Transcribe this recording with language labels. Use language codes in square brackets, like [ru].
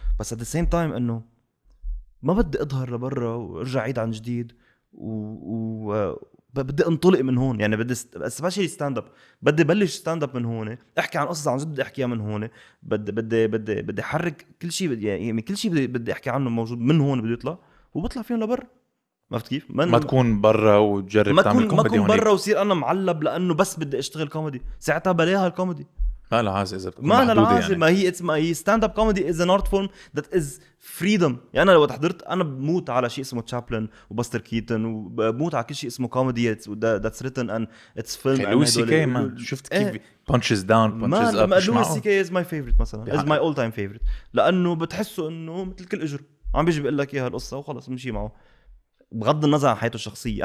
[ar] بس [en] at the same time [ar] انه ما بدي اظهر لبرا وارجع عيد عن جديد، وبدي انطلق من هون يعني، بدي سبيشلي ستاند اب، بدي بلش ستاند اب من هون، احكي عن قصص عن جد بدي احكيها من هون، بدي احرك كل شيء، يعني كل شيء بدي احكي عنه موجود من هون بده يطلع، وبطلع فيهم لبرا. ما عرفت كيف؟ ما تكون برا وتجرب تعمل كوميدي، ما تكون برا وصير انا معلب لانه بس بدي اشتغل كوميدي، ساعتها بلاها الكوميدي. ما له عازي إذا ما له عازي يعني. [en] ما هي it's ما هي stand up comedy is an art form that is freedom يعني. [ar] أنا لو تحضرت أنا بموت على شيء اسمه تشابلن وباستر كيتن، وبموت على كل شيء اسمه [en] comedy that's written and it's film. [ar] لويسي كي ما شفت كيف [en] punches down punches up. [ar] لويسي كي [en] is my favorite [ar] مثلا بحق. [en] is my all time favorite، [ar] لأنه بتحسه إنه مثل كل إجر عم بيجي بيقول لك إياها القصة وخلص مشي معه بغض النظر عن حياته الشخصية.